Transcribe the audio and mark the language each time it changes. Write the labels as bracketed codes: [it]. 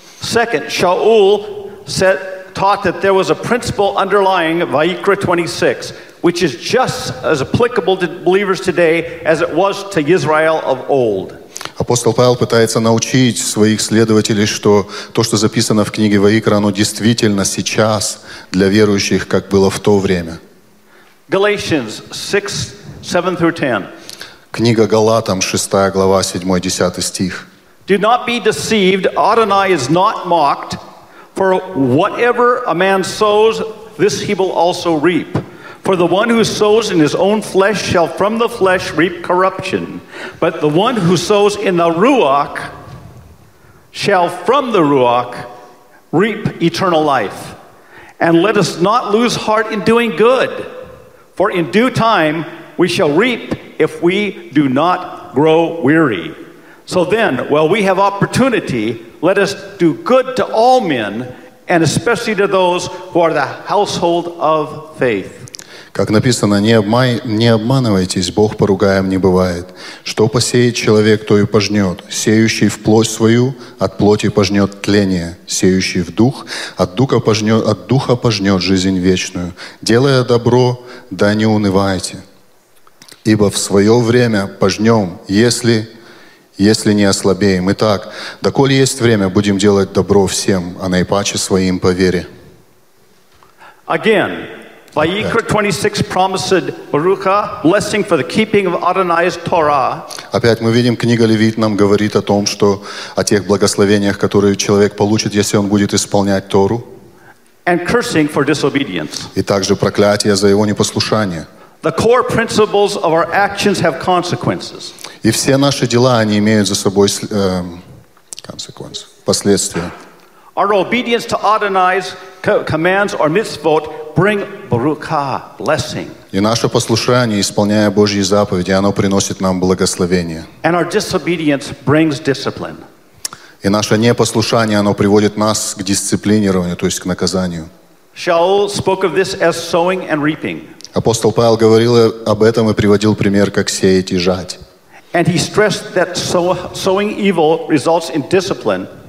[en] Second, Shaul said, taught that there was a principle underlying Vayikra 26, which is just as applicable to believers today as it was to Israel of old. [ru] Апостол Павел пытается научить своих следователей, что то, что записано в книге Ваикра, оно действительно сейчас для верующих, как было в то время. [en] Galatians 6, 7 through 10. [ru] Книга Галатам, 6 глава, 7-10 стих. [en] Do not be deceived, Adonai is not mocked, for whatever a man sows, this he will also reap. For the one who sows in his own flesh shall from the flesh reap corruption. But the one who sows in the Ruach shall from the Ruach reap eternal life. And let us not lose heart in doing good. For in due time we shall reap if we do not grow weary. So then, while we have opportunity, let us do good to all men, and especially to those who are the household of faith. [ru] Как написано, не обманывайтесь, Бог поругаем не бывает. Что посеет человек, то и пожнет. Сеющий в плоть свою, от плоти пожнет тление. Сеющий в дух, от духа пожнет жизнь вечную. Делая добро, да не унывайте. Ибо в свое время пожнем, если не ослабеем. Итак, доколе есть время, будем делать добро всем, а наипаче своим по вере. [en] Again. Vayikra 26 promised Baruka blessing for the keeping of Adonai's Torah. [ru] Опять мы видим, книга Левит нам говорит о том, что о тех благословениях, которые человек получит, если он будет исполнять Тору. [en] And cursing for disobedience. [ru] И также проклятие за его непослушание. [en] The core principles of our actions have consequences. [ru] И все наши дела, они имеют за собой consequences, последствия. [en] Our obedience to Adonai's commands or mitzvot bring baruka, blessing. [ru] И наше послушание, исполняя Божьи заповеди, оно приносит нам благословение. [en] And our disobedience brings discipline. [ru] И наше непослушание, оно приводит нас к дисциплинированию, то есть к наказанию. [en] Shaul spoke of this as sowing and reaping. [ru] Апостол Павел говорил об этом и приводил пример, как сеять и жать. [en] And he stressed that sowing evil results in discipline.